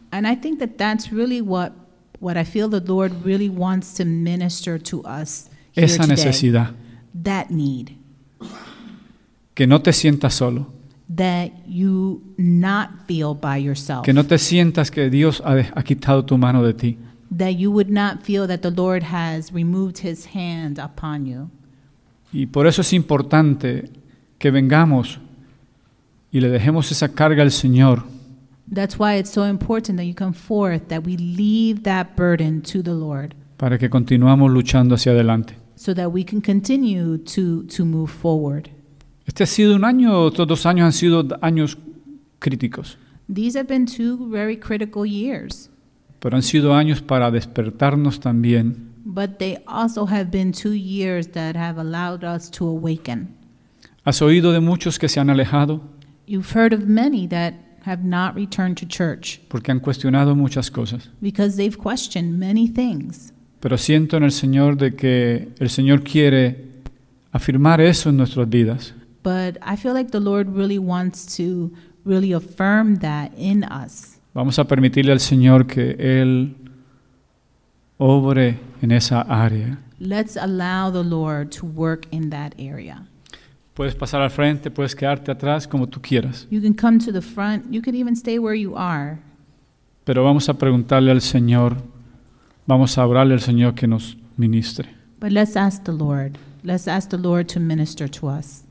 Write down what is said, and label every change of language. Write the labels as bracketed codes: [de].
[en] And I think that's really what I feel the Lord really wants to minister to us here. [es] Esa necesidad. [en] Today. That need. [es] Que no te sientas solo. [en] That you not feel by yourself. [es] Que no te sientas que Dios ha quitado tu mano de ti. [en] That you would not feel that the Lord has removed His hand upon you. [es] Y por eso es importante que vengamos y le dejemos esa carga al Señor. [en] That's why it's so important that you come forth, that we leave that burden to the Lord. [es] Para que continuemos luchando hacia adelante. [en] So that we can continue to move forward. [es] Este ha sido un año, estos dos años han sido años críticos. [en] These have been two very critical years. [es] Pero han sido años para despertarnos también. [en] But they also have been 2 years that have allowed us to awaken. [es] ¿Has oído de muchos que se han alejado? [en] You've heard of many that have not returned to church. [es] Porque han cuestionado muchas cosas. [en] Because they've questioned many things. [es] Pero siento en el Señor de que el Señor quiere afirmar eso en nuestras vidas. [en] But I feel like the Lord really wants to really affirm that in us. [es] Vamos a permitirle al Señor que Él obre en esa área. [en] Let's allow the Lord to work in that area. [es] Puedes pasar al frente, puedes quedarte atrás, como tú quieras. [en] You can come to the front, you can even stay where you are. [es] Pero vamos a preguntarle al Señor, vamos a orarle al Señor que nos ministre. [en] But let's ask the Lord. Let's ask the Lord to minister to us.